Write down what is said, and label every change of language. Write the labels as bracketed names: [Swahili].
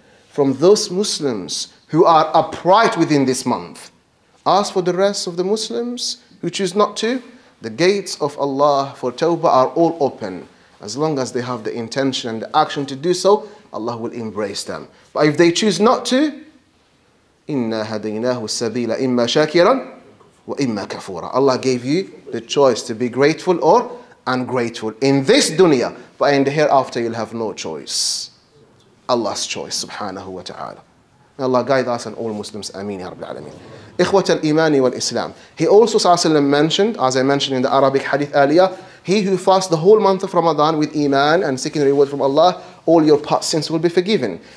[English] From those Muslims who are upright within this month. As for the rest of the Muslims who choose not to, the gates of Allah for Tawbah are all open. As long as they have the intention and the action to do so, Allah will embrace them. But if they choose not to, [Arabic] إِنَّا هَدَيْنَاهُ السَّبِيلَ إِمَّا شَاكِرًا وَإِمَّا كَفُورًا. [English] Allah gave you the choice to be grateful or ungrateful in this dunya, but in the hereafter you'll have no choice. Allah's choice, subhanahu wa ta'ala. May Allah guide us and all Muslims. [Arabic] Ameen ya Rabbil Alameen. إخوة الإيمان والإسلام. [English] He also, sallallahu mentioned, as I mentioned in the Arabic hadith earlier, he who fasts the whole month of Ramadan with iman and seeking reward from Allah, all your past sins will be forgiven.